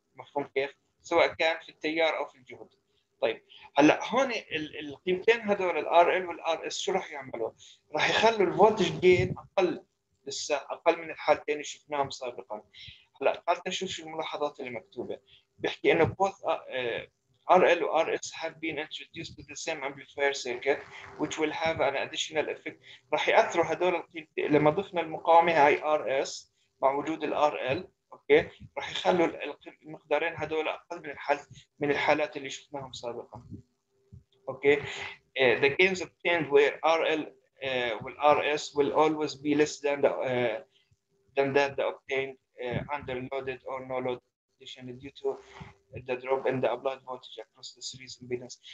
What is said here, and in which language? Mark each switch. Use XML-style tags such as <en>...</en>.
<ar>مفهوم كيف؟ سواء كان في التيار او في الجهد. طيب هلا هون القيمتين هذول الـ RL والـ RS شو راح يعملوا؟ راح يخلوا الفولتج جين اقل، لسه اقل من الحالتين اللي شفناهم سابقا. هلا تعال نشوف شو الملاحظات اللي مكتوبه. بيحكي انه</ar> <en>both RL و RS have been introduced to the same amplifier circuit which will have an additional effect.</en> <ar>راح ياثروا هذول القيمتين لما ضفنا المقاومه هاي RS مع وجود الـ RL، اوكي راح يخلوا المقدارين هذول اقل من الحالات اللي شفناهم سابقا.</ar> <en>Okay the gains obtained where RL will RS will always be less than the obtained under loaded or no load condition due to the drop in the applied voltage across the series impedance.</en>